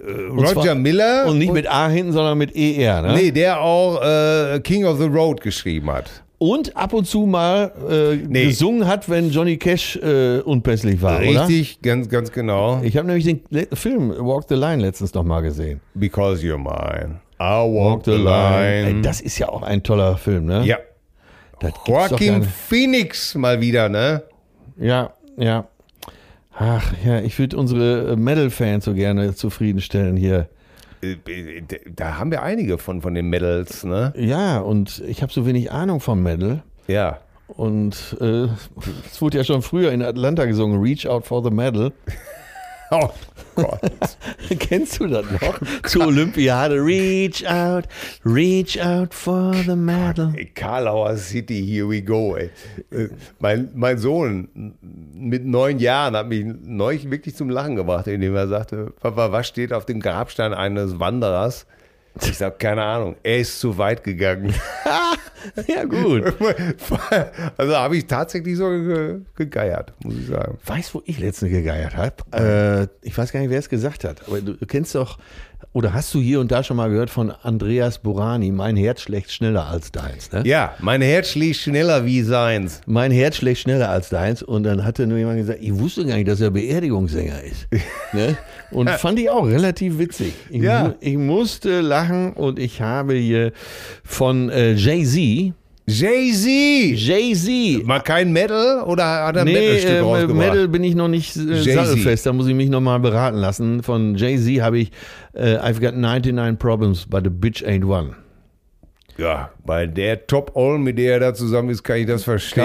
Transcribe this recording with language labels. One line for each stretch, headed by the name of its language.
German: Roger Miller. Und nicht mit A hinten, sondern mit ER. Ne? Nee, der auch King of the Road geschrieben hat. Und ab und zu mal gesungen hat, wenn Johnny Cash unpässlich war, richtig, oder? Richtig, ganz, ganz genau. Ich habe nämlich den Film Walk the Line letztens noch mal gesehen.
English: Because you're mine, I walk the line.
German: Ey, das ist ja auch ein toller Film, ne? Ja. Das Joaquin Phoenix mal wieder, ne? Ja, ja. Ach ja, ich würde unsere Metal-Fans so gerne zufriedenstellen hier. Da haben wir einige von den Metals, ne? Ja, und ich habe so wenig Ahnung vom Metal. Ja. Und es wurde ja schon früher in Atlanta gesungen, Reach Out for the Metal. Oh Gott. Kennst du das noch? Zur Olympiade, Reach Out for the Metal.
English: Karlauer City, here we go, ey.
German: Mein Sohn mit 9 Jahren hat mich neulich wirklich zum Lachen gebracht, indem er sagte, Papa, was steht auf dem Grabstein eines Wanderers? Ich sag, keine Ahnung, er ist zu weit gegangen. Ja, gut. Also habe ich tatsächlich so gegeiert, muss ich sagen. Weißt du, wo ich letztens gegeiert habe? Ich weiß gar nicht, wer es gesagt hat. Aber du kennst doch, oder hast du hier und da schon mal gehört von Andreas Burani, mein Herz schlägt schneller als deins. Ne? Ja, mein Herz schlägt schneller wie seins. Mein Herz schlägt schneller als deins. Und dann hatte nur jemand gesagt, ich wusste gar nicht, dass er Beerdigungssänger ist. Ne? Und fand ich auch relativ witzig. Ich musste lachen und ich habe hier von Jay-Z. Jay-Z. Mal kein Metal oder hat er ein Metal-Stück rausgebracht? Nee, Metal bin ich noch nicht sattelfest. Da muss ich mich noch mal beraten lassen. Von Jay-Z habe ich
English: I've got 99 problems, but a bitch ain't one.
German: Ja, bei der Top-All, mit der er da zusammen ist, kann ich das verstehen.